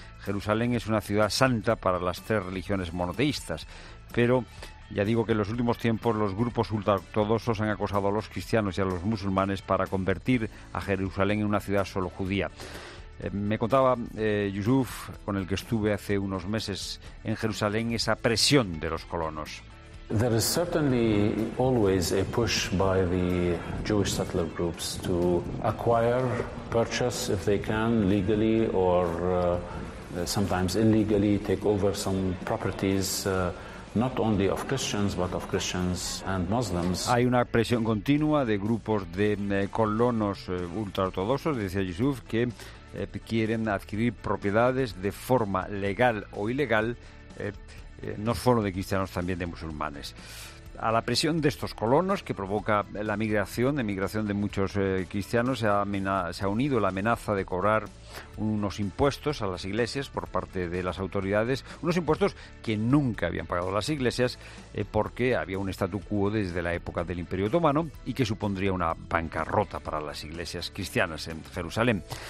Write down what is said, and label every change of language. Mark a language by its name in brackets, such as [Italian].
[Spanish] Jerusalén es una ciudad santa para las tres religiones monoteístas, pero ya digo que en los últimos tiempos los grupos ultraortodoxos han acosado a los cristianos y a los musulmanes para convertir a Jerusalén en una ciudad solo judía. Me contaba Yusuf, con el que estuve hace unos meses en Jerusalén, esa presión de los colonos. [English] There is certainly always a push by the Jewish settler groups to acquire, purchase if they can legally or sometimes illegally take over some properties. Not only of Christians, but of Christians and Muslims. [Spanish] Hay una presión continua de grupos de colonos ultraortodoxos, decía Yusuf, que quieren adquirir propiedades de forma legal o ilegal, no solo de cristianos, también de musulmanes. A la presión de estos colonos, que provoca la emigración de muchos cristianos, se ha unido la amenaza de cobrar unos impuestos a las iglesias por parte de las autoridades, unos impuestos que nunca habían pagado las iglesias porque había un statu quo desde la época del Imperio Otomano y que supondría una bancarrota para las iglesias cristianas en Jerusalén.